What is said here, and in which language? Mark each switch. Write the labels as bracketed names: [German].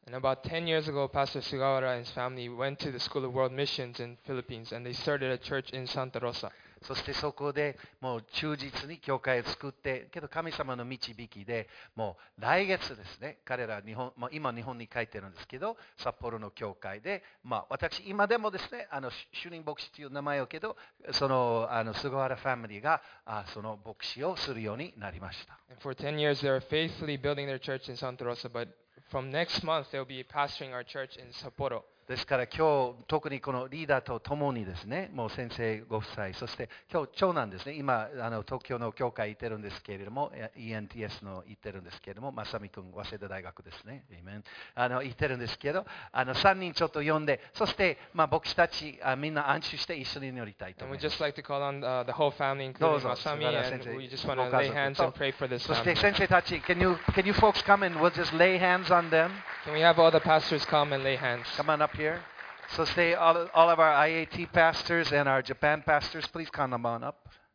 [English] And about 10 years ago, Pastor Sugawara and his family He went to the School of World Missions in Philippines, and they started a church in Santa Rosa. [Japanese] そしてそこでもう忠実に教会を作って、けど神様の導きでもう来月ですね、彼ら日本もう今日本に帰ってるんですけど、札幌の教会で、まあ私今でもですね、主任牧師という名前をけど、その菅原ファミリーがその牧師をするようになりました。 [English] And for 10 years, they are faithfully building their church in Santa Rosa, but from next month, they'll be pastoring our church in Sapporo. [Japanese] ですから今日特にこのリーダーと共にですね、もう先生ご夫妻、そして今日長男ですね、今東京の教会行ってるんですけれども、ENTS の行ってるんですけれども、正美君、早稲田大学ですね、行ってるんですけど、3人ちょっと呼んで、そして、まあ、牧師たち、みんな安心して一緒に祈りたいと思います。 [English] Like、on, the whole family, including Masami, and we just want to lay hands and pray for this family. [Japanese] そして先生たち、 [English] can you folks come and we'll just lay hands on them? Can we have all the pastors come and lay hands? Come on up. Up here. So say all of our IAT pastors and our Japan pastors, please come on up.